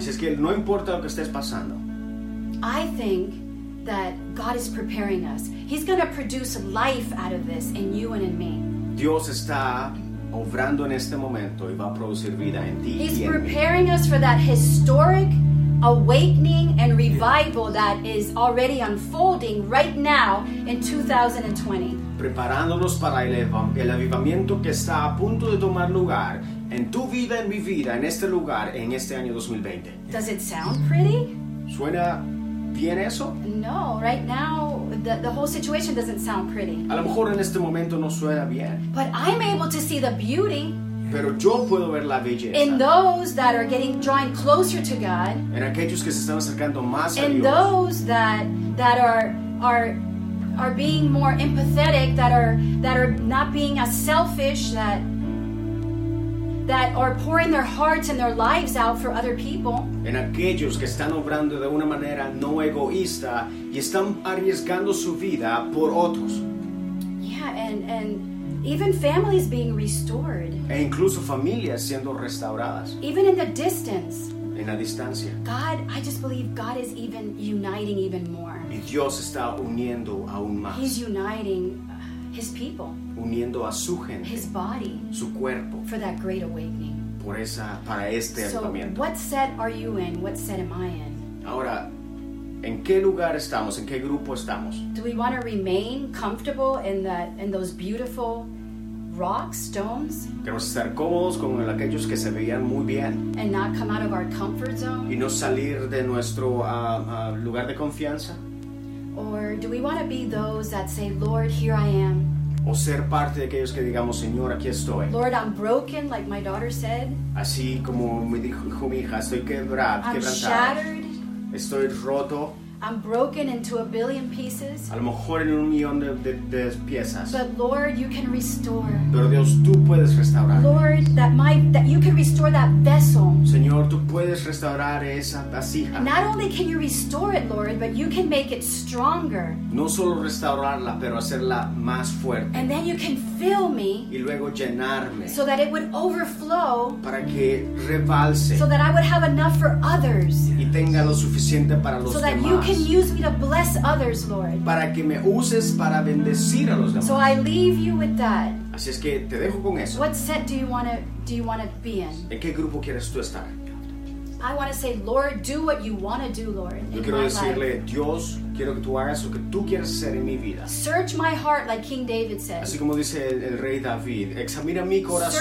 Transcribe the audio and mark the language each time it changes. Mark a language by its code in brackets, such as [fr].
[es] si es que no importa lo que estés pasando, [en] I think that God is preparing us. He's going to produce life out of this in you and in me. [es] Dios está obrando en este momento y va a producir vida en ti. [en] He's preparing us for that historic awakening and revival that is already unfolding right now in 2020. [es] Preparándonos para el avivamiento que está a punto de tomar lugar en tu vida, en mi vida, en este lugar, en este año 2020. [en] Does it sound pretty? [es] Suena. ¿Tiene eso? [en] No, right now the whole situation doesn't sound pretty. [es] A lo mejor en este momento no suena bien. [en] But I'm able to see the beauty. [es] Pero yo puedo ver la belleza. [en] In those that are getting drawing closer to God. [es] En aquellos que se están acercando más a Dios. [en] In those that are being more empathetic, that are not being as selfish, that are pouring their hearts and their lives out for other people. [es] En aquellos que están obrando de una manera no egoísta y están arriesgando su vida por otros. [en] Yeah, and even families being restored. [es] E incluso familias siendo restauradas. [en] Even in the distance. [es] En la distancia. [en] God, I just believe God is even uniting even more. [es] Y Dios está uniendo aún más. [en] He's uniting His people. [es] Uniendo a su gente, [en] His body, [es] su cuerpo, [en] for that great awakening. [es] Por esa, para este [en] so, [es] avivamiento. [en] What set are you in? What set am I in? [es] Ahora, ¿en qué lugar estamos? ¿En qué grupo estamos? [en] Do we want to remain comfortable in those beautiful rocks, stones? [es] ¿Queremos estar cómodos con aquellos que se veían muy bien? [en] And not come out of our comfort zone? [es] ¿Y no salir de nuestro lugar de confianza? [en] Or do we want to be those that say, Lord, here I am? [es] O ser parte de aquellos que digamos, Señor, aquí estoy. [en] Lord, I'm broken, like my daughter said. [es] Así como me dijo mi hija, estoy quebrantada. [en] I'm shattered. [es] Estoy roto. [en] I'm broken into a billion pieces. [es] A lo mejor en un millón de piezas. [en] But Lord, you can restore. [es] Pero Dios, tú puedes restaurar. [en] Lord, that you can restore that vessel. [es] Señor, tú puedes restaurar esa vasija. [en] Not only can you restore it, Lord, but you can make it stronger. [es] No solo restaurarla, pero hacerla más fuerte. [en] And then you can fill me. [es] Y luego llenarme. [en] So that it would overflow. [es] Para que rebalse. [en] So that I would have enough for others. [es] Y tenga lo suficiente para los [en] so [es] demás. [en] You can can use me to bless others, Lord. [es] Para que me uses para bendecir a los demás. [en] So I leave you with that. [es] Así es que te dejo con eso. [en] What set do you want to be in? [es] ¿En qué grupo quieres tú estar? [en] I want to say, Lord, do what you want to do, Lord. [es] Yo quiero decirle, Dios, quiero que tú hagas lo que tú quieras hacer en mi vida. [en] Search my heart, like King David said. [es] Así como dice el rey David, examina mi corazón.